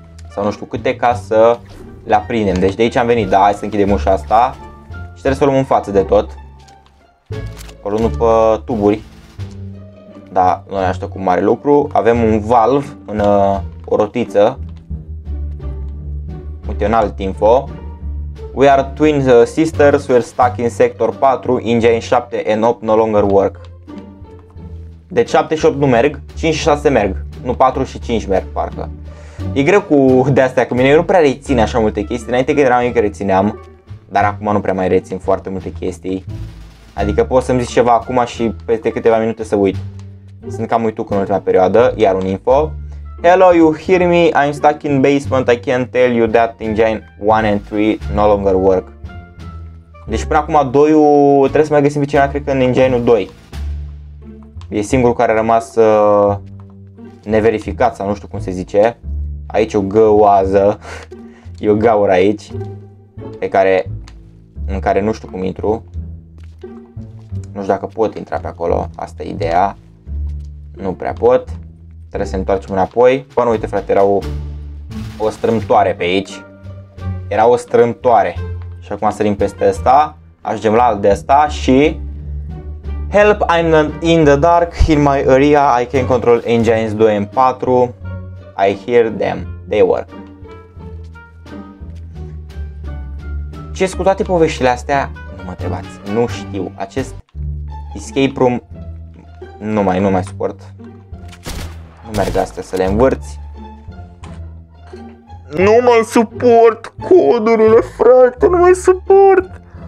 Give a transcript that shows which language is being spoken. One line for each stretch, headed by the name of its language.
Romanian: Sau nu știu câte ca să le aprindem. Deci de aici am venit, da? Hai să închidem ușa asta. Și trebuie să o luăm în față de tot. O luăm după tuburi. Da, nu ne așteptăm cu mare lucru. Avem un valve în o rotiță. Uite, un alt info.
English: We are twin sisters, we're stuck in sector 4, engine 7 and 8 no longer work.
Romanian: Deci 7 și 8 nu merg, 5 și 6 merg. Nu, 4 și 5 merg, parcă. E greu cu de-astea, că mine eu nu prea rețin așa multe chestii. Înainte când eram eu că rețineam, dar acum nu prea mai rețin foarte multe chestii. Adică pot să-mi zici ceva acum și peste câteva minute să uit. Sunt cam uituc în ultima perioadă, iar un info.
English: Hello, you hear me? I'm stuck in basement, I can't tell you that engine 1 and 3 no longer work.
Romanian: Deci până acum 2-ul, trebuie să mai găsim pe cineva, cred că în engine-ul 2. E singurul care a rămas neverificat sau nu știu cum se zice. Aici o găoază, e o gaură aici, pe care, în care nu știu cum intru. Nu știu dacă pot intra pe acolo, asta e ideea. Nu prea pot. Trebuie să întoarcem înapoi. Bă, nu, uite frate, era o strâmtoare pe aici. Era o strâmtoare. Și acum sărim peste asta, ajungem la alt de asta și...
English: Help, I'm in the dark, in my area, I can control engines 2 and 4, I hear them, they work.
Romanian: Ce cu toate poveștile astea? Nu mă întrebați, nu știu, acest escape room, nu mai suport. Nu merg astea să le învârți. Nu mai suport codurile, frate, nu mai suport.